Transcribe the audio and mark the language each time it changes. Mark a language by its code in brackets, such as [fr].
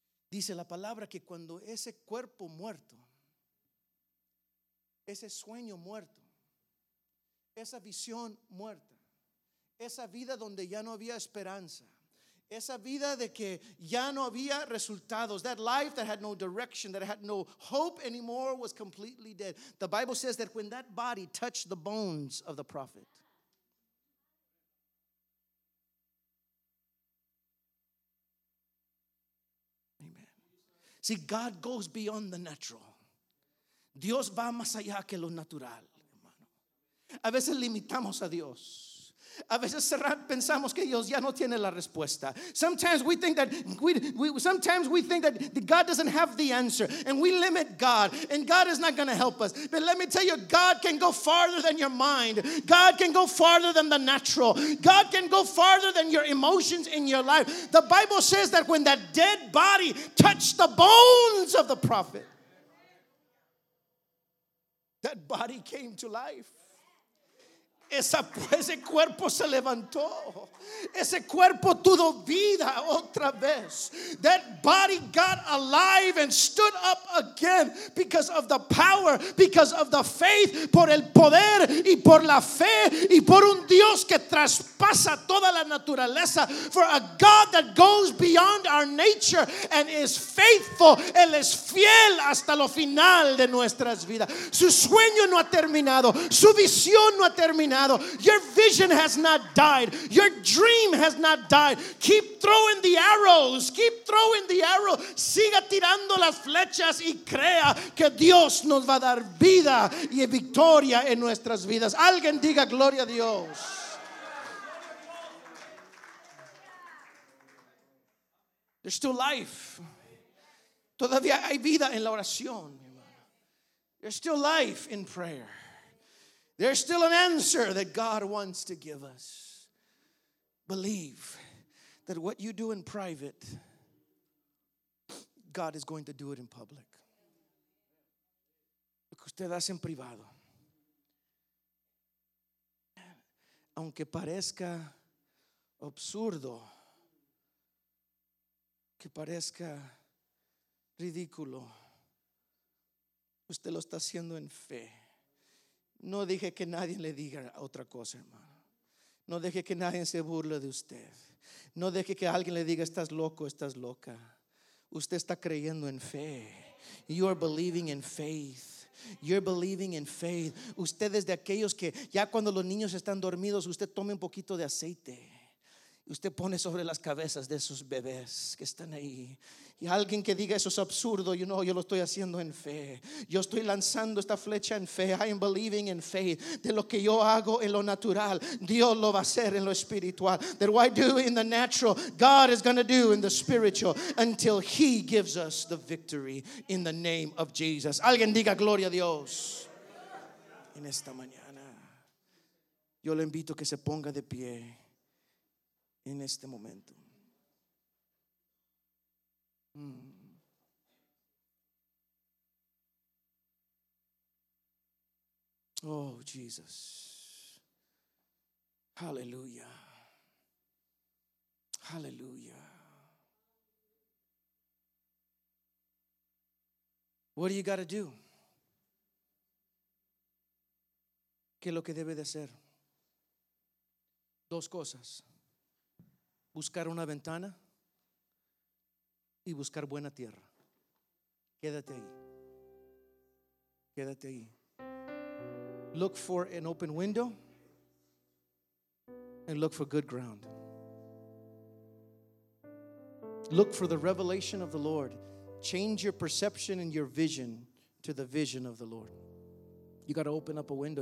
[es] Dice la palabra que cuando ese cuerpo muerto, ese sueño muerto, esa visión muerta, esa vida donde ya no había esperanza, esa vida de que ya no había resultados, [en] that life that had no direction, that had no hope anymore, was completely dead. The Bible says that when that body touched the bones of the prophet, see, God goes beyond the natural. [es] Dios va más allá que lo natural, hermano. A veces limitamos a Dios. A veces pensamos que Dios ya no tiene la respuesta. [en] Sometimes we think that sometimes we think that God doesn't have the answer, and we limit God, and God is not going to help us. But let me tell you, God can go farther than your mind. God can go farther than the natural. God can go farther than your emotions in your life. The Bible says that when that dead body touched the bones of the prophet, that body came to life. [es] Ese cuerpo se levantó. Ese cuerpo tuvo vida otra vez. [en] That body got alive and stood up again because of the power, because of the faith, [es] por el poder y por la fe, y por un Dios que traspasa toda la naturaleza. [en] For a God that goes beyond our nature and is faithful. [es] Él es fiel hasta lo final de nuestras vidas. Su sueño no ha terminado. Su visión no ha terminado. [en] Your vision has not died. Your dream has not died. Keep throwing the arrows. Keep throwing the arrows. [es] Siga tirando las flechas y crea que Dios nos va a dar vida y victoria en nuestras vidas. Alguien diga gloria a Dios. [en] There's still life. [es] Todavía hay vida en la oración, mi hermano. [en] There's still life in prayer. There's still an answer that God wants to give us. Believe that what you do in private, God is going to do it in public. [es] Lo que usted hace en privado, aunque parezca absurdo, que parezca ridículo, usted lo está haciendo en fe. No deje que nadie le diga otra cosa, hermano. No deje que nadie se burle de usted. No deje que alguien le diga, estás loco, estás loca. Usted está creyendo en fe. [en] You are believing in faith. You're believing in faith. [es] Usted es de aquellos que ya cuando los niños están dormidos, usted tome un poquito de aceite. Usted pone sobre las cabezas de esos bebés que están ahí. Y alguien que diga eso es absurdo, [en] you know, [es] yo lo estoy haciendo en fe. Yo estoy lanzando esta flecha en fe. [en] I am believing in faith. [es] De lo que yo hago en lo natural, Dios lo va a hacer en lo espiritual. [en] That what I do in the natural, God is going to do in the spiritual until he gives us the victory in the name of Jesus. [es] Alguien diga gloria a Dios en esta mañana. Yo le invito a que se ponga de pie en este momento. [en] Oh, Jesus. Hallelujah. Hallelujah. What do you got to do? [es] ¿Qué es lo que debe de hacer? Dos cosas. Buscar una ventana y buscar buena tierra. Quédate ahí. Quédate ahí. [en] Look for an open window and look for good ground. Look for the revelation of the Lord. Change your perception and your vision to the vision of the Lord. You got to open up a window.